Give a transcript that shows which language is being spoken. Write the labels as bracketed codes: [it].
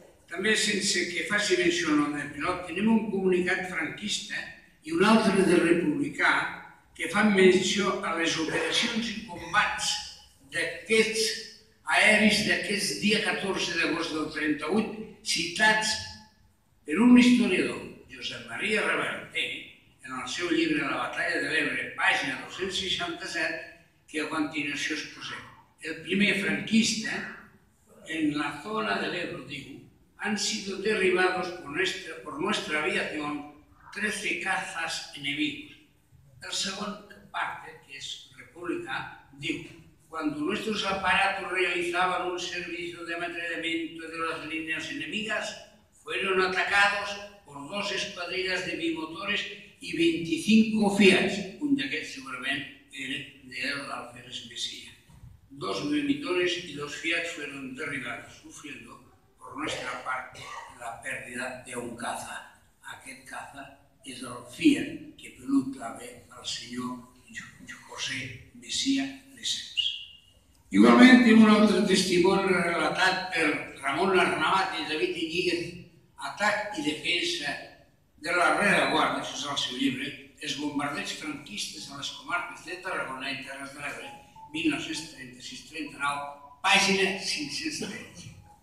[ca] També, sense que faci menció el nom del pilot, tenim un comunicat franquista i un altre de republicà que fan menció a les operacions i combats d'aquests aeris d'aquest dia 14 d'agost del 38, citats per un historiador, Josep Maria Reverter, en el seu llibre La batalla de l'Ebre, pàgina 267, que a continuació es posa. El primer franquista, en la zona de l'Ebre, diu, [es] han sido derribados por nuestra aviación 13 cazas enemigos. [ca] El segon parte, que és republicà, diu, [es] cuando nuestros aparatos realizaban un servicio de ametrallamiento de las líneas enemigas, fueron atacados por dos escuadrillas de bimotores y 25 Fiats, [ca] un d'aquests segurament era de l'Alferes Messia. [es] Dos bimotores y dos Fiats fueron derribados, sufriendo por nuestra parte la pérdida de un caza. [ca] Aquest caza és el Fiat que pilota bé el senyor José Messia Lesseps. Igualment, tenim un altre testimoni relatat per Ramon Arnabat i David Iñiguez, Atac i defensa de la rereguarda, això és el seu llibre, els bombardeig franquistes a les comarques de Tarragona i Terres de l'Ebre, 1936-39, pàgina 513.